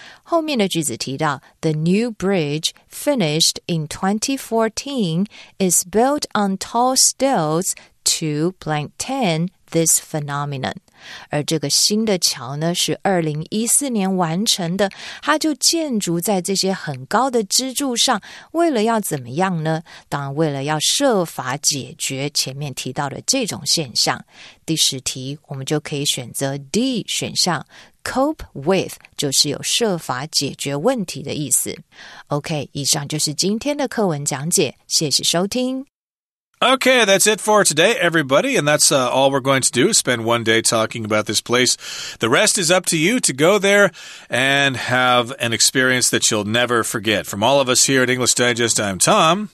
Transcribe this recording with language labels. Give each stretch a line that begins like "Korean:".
Chinese: 后面的句子提到
English: The new bridge finished in 2014 is built on tall stilts to blank 10 this phenomenon.
Chinese: 而这个新的桥呢，是2014年完成的，它就建筑在这些很高的支柱上，为了要怎么样呢？当然为了要设法解决前面提到的这种现象。第十题我们就可以选择 D 选项，Cope with, 就是有设法解决问题的意思。 OK, 以上就是今天的课文讲解，谢谢收听。
English: OK, that's it for today, everybody, and that's all we're going to do, spend one day talking about this place. The rest is up to you to go there and have an experience that you'll never forget. From all of us here at English Digest, I'm Tom.